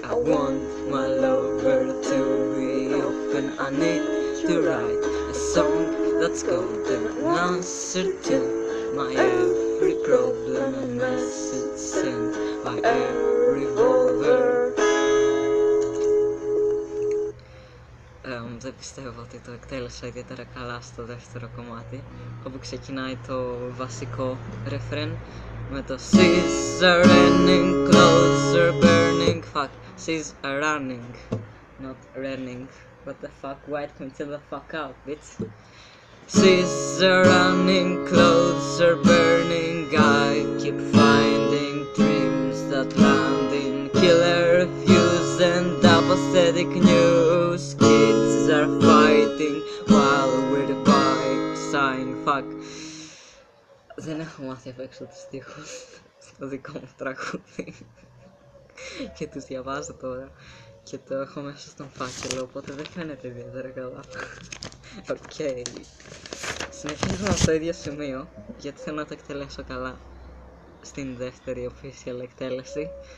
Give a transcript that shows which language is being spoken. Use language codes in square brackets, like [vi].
[en] I want my lover to be open. I need to write a song that's golden. An answer to my every problem. A message sent by a revolver. [el] Δεν πιστεύω ότι το εκτέλεσα ιδιαίτερα καλά στο δεύτερο κομμάτι, όπου ξεκινάει το βασικό ρεφρέν με το [en] Seas are running, clouds are burning. Fuck, seas are running, not running. What the fuck, wake me till the fuck up, bitch. Seas are running, clouds are burning. I keep finding dreams that land in killer views and apathetic news. Are fighting while we're fighting. Sign, fuck. [el] Δεν έχω μάθει απ' έξω τους στίχους στο δικό μου τραγούδι και τους διαβάζω τώρα και το έχω μέσα στον φάκελο, οπότε δεν φαίνεται ιδιαίτερα καλά. Okay. Συνεχίζουμε στο ίδιο σημείο γιατί θέλω να το εκτελέσω καλά στην δεύτερη official εκτέλεση.